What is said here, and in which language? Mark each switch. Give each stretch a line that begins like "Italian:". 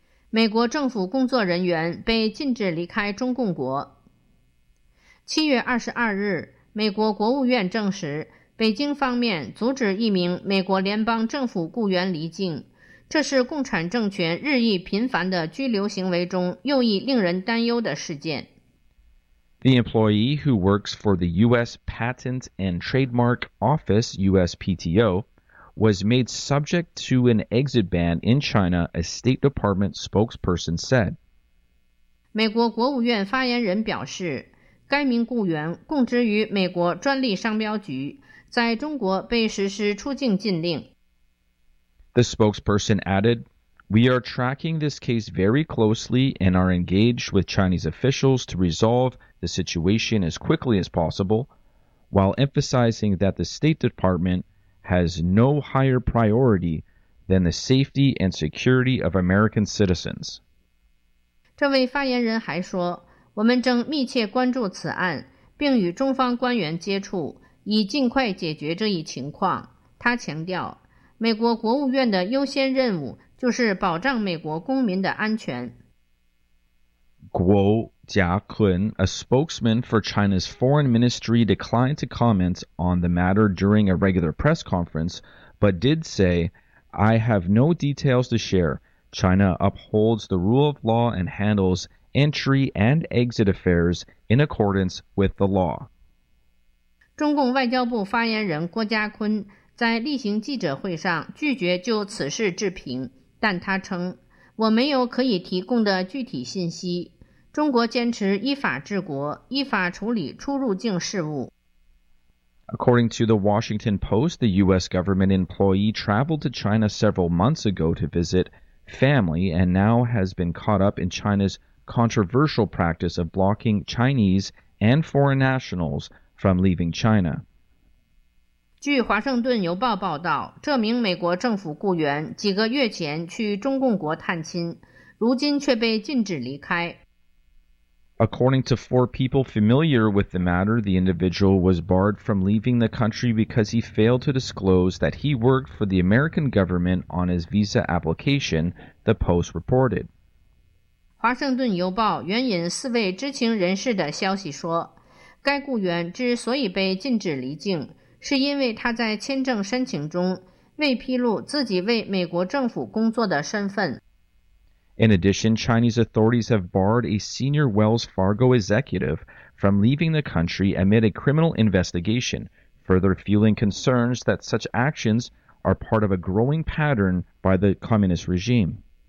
Chinese: 美国政府工作人员被禁止离开中共国。 7月22日，美国国务院证实，北京方面阻止一名美国联邦政府雇员离境，这是共产政权日益频繁的拘留行为中又一令人担忧的事件。
English: The employee who works for the U.S. Patent and Trademark Office, USPTO, was made subject to an exit ban in China, a State Department spokesperson said.
Chinese: 美国国务院发言人表示，该名雇员供职于美国专利商标局，在中国被实施出境禁令。
English: The spokesperson added,We are tracking this case very closely and are engaged with Chinese officials to resolve the situation as quickly as possible, while emphasizing that the State Department has no higher priority than the safety and security of American citizens.
Chinese: 这位发言人还说，我们正密切关注此案，并与中方官员接触，以尽快解决这一情况。他强调，美国国务院的优先任务就是保障美国公民的安全。
English: Guo Jiakun, a spokesman for China's foreign ministry, declined to comment on the matter during a regular press conference, but did say, I have no details to share. China upholds the rule of law and handles entry and exit affairs in accordance with the law.
Chinese: 中共外交部发言人郭家坤在例行记者会上拒绝就此事置评。但他称，我没有可以提供的具体信息。中国坚持依法治国，依法处理出入境事务。
English: According to the Washington Post, the U.S. government employee traveled to China several months ago to visit family and now has been caught up in China's controversial practice of blocking Chinese and foreign nationals from leaving China.
Chinese: 据《华盛顿邮报》报道，这名美国政府雇员几个月前去中共国探亲，如今却被禁止离开。
English: According to four people familiar with the matter, the individual was barred from leaving the country because he failed to disclose that he worked for the American government on his visa application, the Post reported.
Chinese: 华盛顿邮报援引四位知情人士的消息说，该雇员之所以被禁止离境，是因为他在签证申请中未披露自己为美国政府工作的身份。
English: In addition, Chinese authorities have barred a senior Wells Fargo executive from leaving the country amid a criminal investigation, further fueling concerns that such actions are part of a growing pattern by the communist regime.